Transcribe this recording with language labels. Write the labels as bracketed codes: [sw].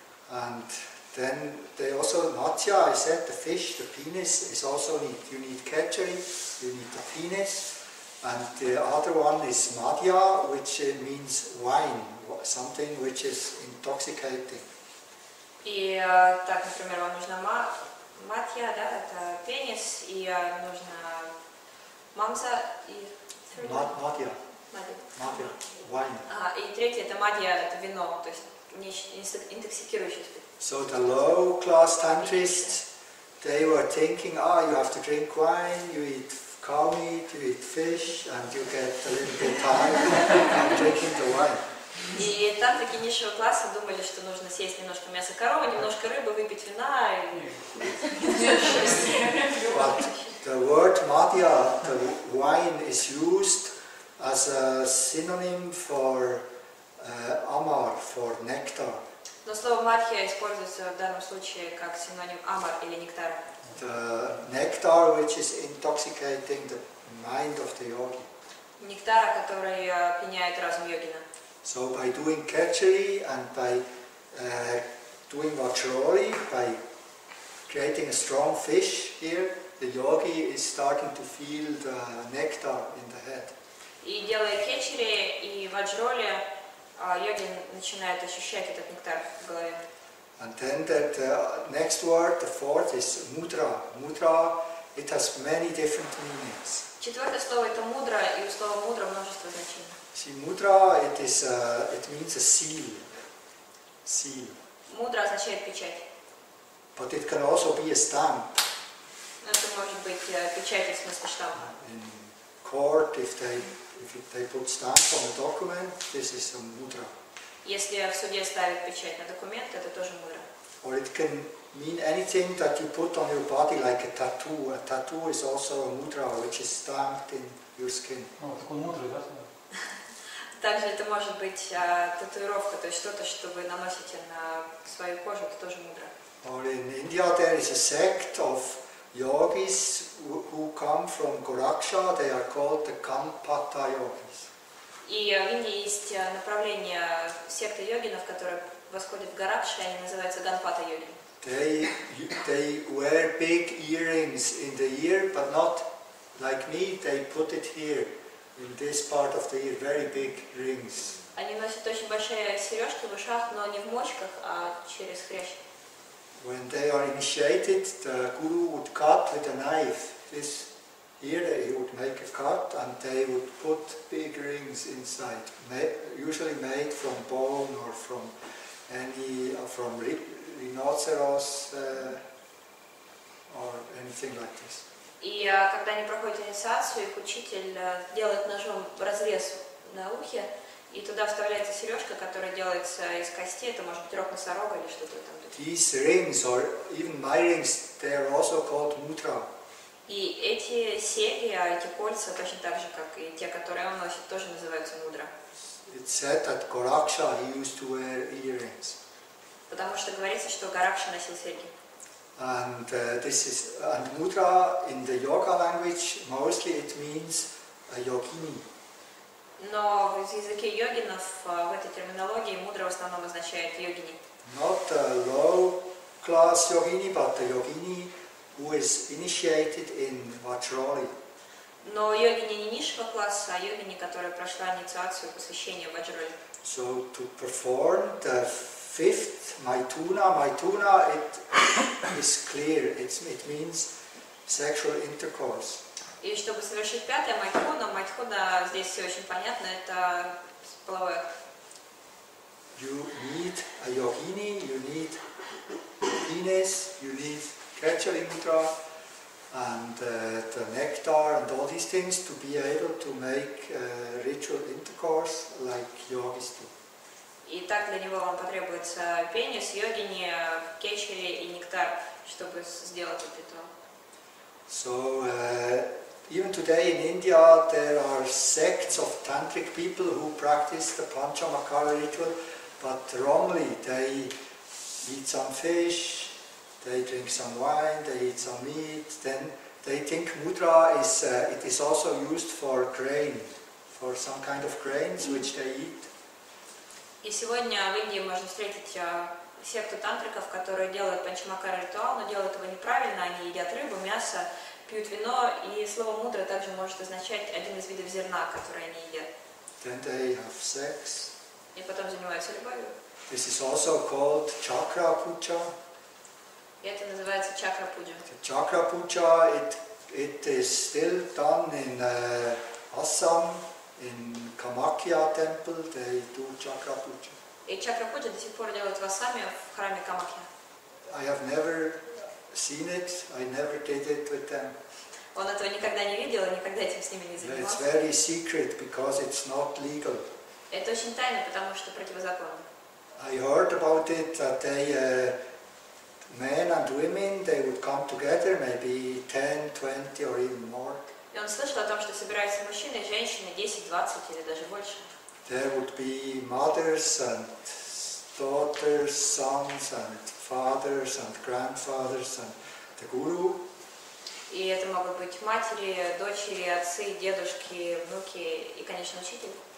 [en] And then they also matsya, I said the fish, the penis is also need. You need kachari, you need the penis, and the other one is madhya, which means wine, something which is intoxicating. [ru] И так, например, вам нужна матья, да, это пенис, и нужна мамза и. Мадья. Мадья. [en] Wine. [ru] И третье это мадья, это вино, то есть интоксикирующий спирт. [en] So the low class tantrists, they were thinking, ah, you have to drink wine, you eat cow meat, you eat fish, and you get a little bit high and drinking the wine. [ru] И тантрики низшего класса думали, что нужно съесть немножко мяса коровы, немножко рыбы, выпить вина и. [en] But the word мадья, the wine, is used as a synonym for amar, for nectar. [ru] Но слово мадхья используется в данном случае как синоним амар или нектара. [en] The nectar, which is intoxicating the mind of the yogi. [ru] Нектара, который опьяняет разум йогина. [en] So by doing kachari and by doing vajrayoga, by creating a strong fish here, the yogi is starting to feel the nectar in the head. [ru] И делая кечери и ваджроли, йогин начинает ощущать этот нектар в голове. [en] And then the next word, the fourth, is mudra. Mudra, it has many different meanings. [ru] Четвертое слово это мудра, и у слова мудра множество значений. [en] See, mudra, it is it means a seal. Seal. [ru] Мудра означает печать. [en] But it can also be a stamp. [ru] Это может быть печать в смысле штампа. [en] In court, if they put stamp on a document, this is a mudra. [ru] Если в суде ставят печать на документ, это тоже мудра. [en] Or it can mean anything that you put on your body, like a tattoo. A tattoo is also a mudra, which is stamped in your skin. [ru] Такой мудрый, да? Также это может быть татуировка, то есть что-то, что вы наносите на свою кожу, это тоже мудра. [en] Or in India there is a sect of yogis who come from Goraksha, they are called the Kampata yogis. [ru] И в Индии есть направление секты йогинов, которые восходят в Горакшу, они называются Ганпата йоги. [en] They wear big earrings in the ear, but not like me, they put it here, in this part of the ear, very big rings. [ru] Они носят очень большие сережки в ушах, но не в мочках, а через хрящ. [en] When they are initiated, the guru would cut with a knife. This here, he would make a cut, and they would put big rings inside, usually made from bone or from from rhinoceros or anything like this. [ru] И когда они проходят инициацию, их учитель делает ножом разрез на ухе, и туда вставляется сережка, которая делается из кости, это может быть рог носорога или что-то там. [en] These rings, or even my rings, they are also called mutra. [ru] И эти серьги, эти кольца, точно так же, как и те, которые он носит, тоже называются мудра. [en] It's said that Garaksha, he used to wear earrings. [ru] Потому что говорится, что Гаракша носил серьги. [en] And this is and mudra in the yoga language mostly it means a yogini. [ru] Но в языке йогинов в этой терминологии мудра в основном означает йогини. [en] Not a low class yogini, but a yogini who is initiated in Vajrayana. [ru] Но йогини не низшего класса, а йогини, которая прошла инициацию посвящения Vajrayana. [en] So to perform the fifth maituna, maituna it is clear, it means sexual intercourse. [ru] И чтобы совершить пятое майтхуна, майтхуна здесь все очень понятно, это половое. [en] You need a yogini, you need penis, you need kachalimudra and the nectar and all these things to be able to make ritual intercourse like yogis do. [ru] И так для него вам потребуется пенис, йогини, кечери и нектар, чтобы сделать этот ритуал. [en] So even today in India there are sects of tantric people who practice the Panchamakara ritual, but wrongly. They eat some fish, they drink some wine, they eat some meat. Then they think mudra is it is also used for grain, for some kind of grains which they eat. [ru] И сегодня в Индии можно встретить секту тантриков, которые делают панчамакара ритуал, но делают его неправильно. Они едят рыбу, мясо, пьют вино, и слово мудра также может означать один из видов зерна, который они едят. [en] Then they have sex. [ru] И потом занимаются любовью. [en] This is also called chakra puja. [ru] И это называется чакра пуджа. [en] Chakra puja, it is still done in Assam. In Kamakhya temple, they do chakra puja. [ru] И чакра пуджа до сих пор делают в Ассаме, в храме Камакхи. [en] I have never seen it, I never did it with them. [ru] Он этого никогда не видел и никогда этим с ними не занимался. [en] It's very secret because it's not legal. [ru] Это очень тайно, потому что противозаконно. [en] I heard about it that they, men and women, they would come together, maybe 10, 20 or even more. [ru] И он слышал о том, что собираются мужчины, женщины, 10, 20 или даже больше. [en] There would be mothers and daughters, sons and fathers and grandfathers and the guru. [ru] И это могут быть матери, дочери, отцы, дедушки, внуки и, конечно, учитель.